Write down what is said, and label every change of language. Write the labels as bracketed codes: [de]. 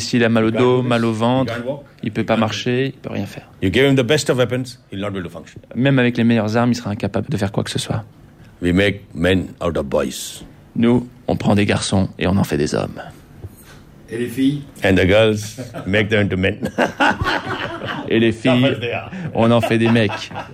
[fr] s'il a mal au dos, mal au ventre, il ne peut pas marcher, il ne peut rien faire. [en] You give him the best of weapons, he'll not be able to function. [fr] Même avec les meilleures armes, il sera incapable de faire quoi que ce soit. [en] We make men out of boys. [fr] Nous, on prend des garçons et on en fait des hommes. Et les filles? [en] And the girls, make them into men. [fr] Et les filles, on en fait des mecs.